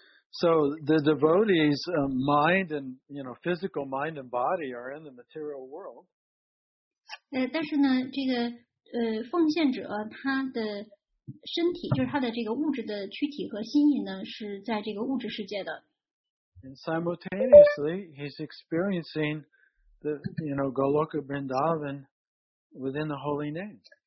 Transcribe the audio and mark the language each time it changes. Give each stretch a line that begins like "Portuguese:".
English: So the devotee's mind and, you know, physical mind and body are in the material world.
Chinese: 但是呢，这个奉献者他的身体，就是他的这个物质的躯体和心意呢，是在这个物质世界的。
English: And simultaneously, he's experiencing the, you know, Goloka Vrindavan within the holy name.